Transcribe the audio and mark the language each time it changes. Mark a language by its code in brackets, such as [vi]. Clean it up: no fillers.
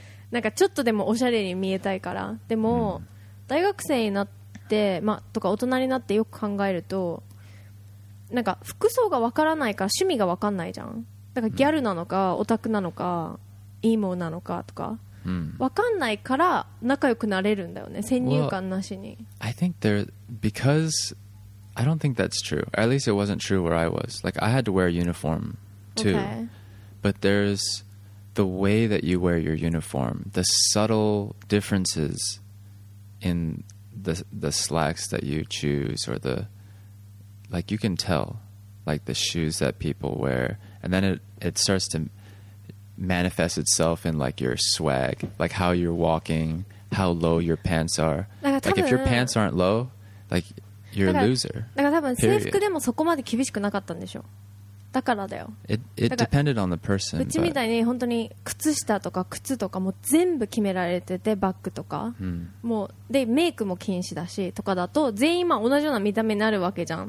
[ja] なんかちょっとでもおしゃれに見えたいから。でも、うん、大学生になって、ま、とか大人になってよく考えるとなんか服装が分からないから趣味が分かんないじゃん。だからギャルなのか、うん、オタクなのかイモなのかとか、うん、わかんないから仲良くなれるんだよね先入観なしに。 [en] Well, I think there because I don't think that's true. At least it wasn't true where I was. Like I had to wear a uniform too.、 Okay. But there's the way that you wear your uniform, the subtle differences in the slacks that you choose or the like you can tell like the shoes that people wear and then it starts toManifest itself in like your swag, like how you're walking, how low your pants are. Like if your pants aren't low, like you're a loser. [ja] だから多分制服でもそこまで厳しくなかったんでしょ。だからだよ。 [en] It depended on the person. [ja] うちみたいに本当に靴下とか靴とかも全部決められててバッグとか、うん、もうでメイクも禁止だしとかだと全員まあ同じような見た目になるわけじゃん。